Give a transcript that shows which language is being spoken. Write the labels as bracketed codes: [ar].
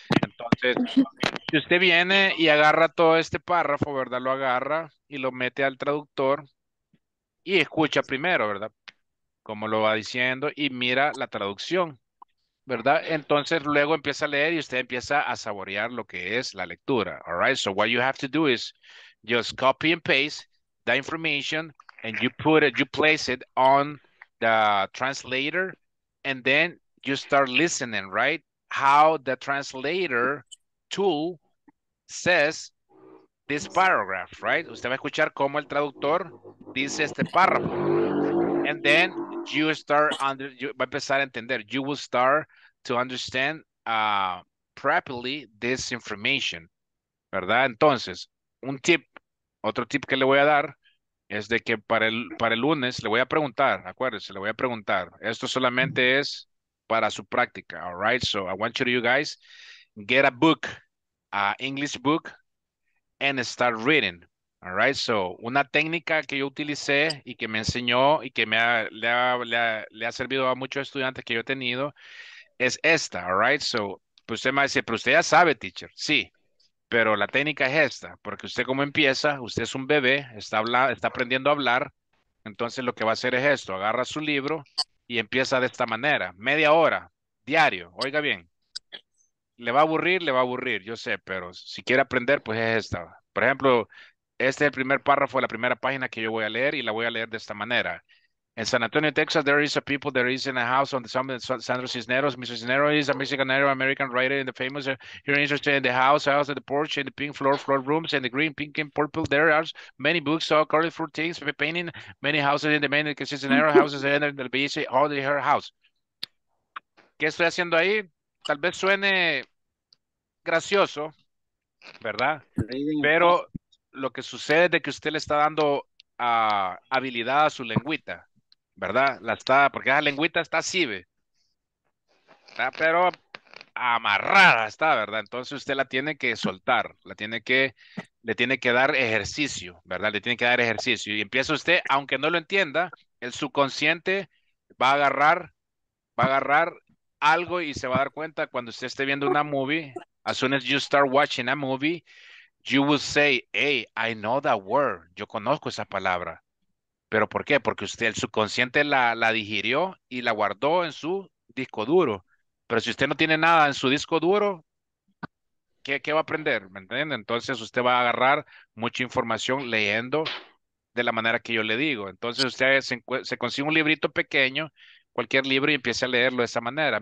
[es] Entonces, si usted viene y agarra todo este párrafo, ¿verdad? Lo agarra y lo mete al traductor y escucha primero, ¿verdad? Como lo va diciendo y mira la traducción, ¿verdad? Entonces, luego empieza a leer y usted empieza a saborear lo que es la lectura. [en] All right, so what you have to do is just copy and paste the information and you place it on the translator and then you start listening, right? How the translator tool says this paragraph, right? [es] Usted va a escuchar cómo el traductor dice este párrafo. [en] And then you will start to understand properly this information, ¿verdad? [es] Entonces, otro tip que le voy a dar es de que para el lunes le voy a preguntar, acuérdense, le voy a preguntar. Esto solamente es para su práctica, [en] all right? So I want you guys get a book, a English book, and start reading, all right? [es] So una técnica que yo utilicé y que me enseñó y que le ha servido a muchos estudiantes que yo he tenido es esta, [en] all right? [es] So pues usted me dice, pero usted ya sabe, teacher. Sí. Pero la técnica es esta, porque usted como empieza, usted es un bebé, está aprendiendo a hablar, entonces lo que va a hacer es esto, agarra su libro y empieza de esta manera, media hora, diario, oiga bien, le va a aburrir, yo sé, pero si quiere aprender, pues es esta. Por ejemplo, este es el primer párrafo de la primera página que yo voy a leer y la voy a leer de esta manera. [en] In San Antonio, Texas, there is a people that is in a house on the summit of Sandra Cisneros. Mr. Cisneros is a Mexican Native American writer in the famous, you're interested in the house, and the porch, and the pink floor rooms, and the green, pink, and purple. There are many books, all colorful things, painting many houses in the main Cisneros houses, and the busy all in her house. [es] ¿Qué estoy haciendo ahí? Tal vez suene gracioso, ¿verdad? Pero lo que sucede es que usted le está dando habilidad a su lengüita. ¿Verdad? La está, porque esa lengüita está así, ¿ve? Está pero amarrada está, ¿verdad? Entonces usted la tiene que soltar, le tiene que dar ejercicio, ¿verdad? Le tiene que dar ejercicio y empieza usted, aunque no lo entienda, el subconsciente va a agarrar algo y se va a dar cuenta cuando usted esté viendo una movie. [en] As soon as you start watching a movie, you will say, hey, I know that word, [es] yo conozco esa palabra. ¿Pero por qué? Porque usted, el subconsciente la digirió y la guardó en su disco duro. Pero si usted no tiene nada en su disco duro, ¿qué va a aprender? ¿Me entiende? Entonces usted va a agarrar mucha información leyendo de la manera que yo le digo. Entonces usted se consigue un librito pequeño, cualquier libro, y empiece a leerlo de esa manera.